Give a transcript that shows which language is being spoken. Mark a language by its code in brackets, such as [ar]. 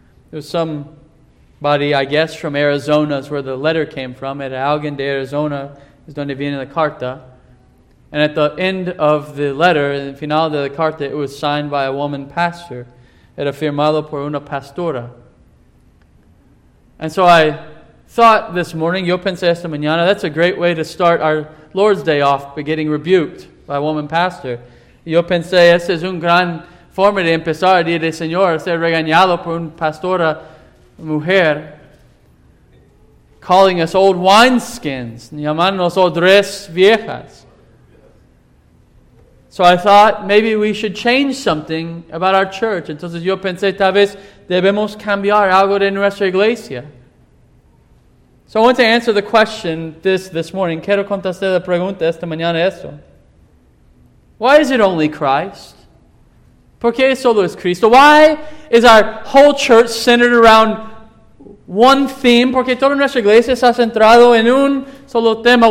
[en] There was somebody, I guess, from Arizona is where the letter came from. [es] Era alguien de Arizona es donde viene la carta. [en] And at the end of the letter, [es] en el final de la carta, [en] it was signed by a woman pastor. [es] Era firmado por una pastora. [en] And so I thought this morning, [es] yo pensé esta mañana, [en] that's a great way to start our Lord's Day off by getting rebuked by a woman pastor. [es] Yo pensé, esa es una gran forma de empezar el día del Señor, ser regañado por una pastora mujer, [en] calling us old wineskins, [es] llamándonos odres viejas. [en] So I thought, maybe we should change something about our church. [es] Entonces yo pensé, tal vez debemos cambiar algo de nuestra iglesia. [en] So I want to answer the question this morning. [es] Quiero contestar la pregunta esta mañana esto. [en] Why is it only Christ? [es] ¿Por qué solo es Cristo? [en] Why is our whole church centered around one theme? [es] ¿Por qué toda nuestra iglesia está centrada en un solo tema?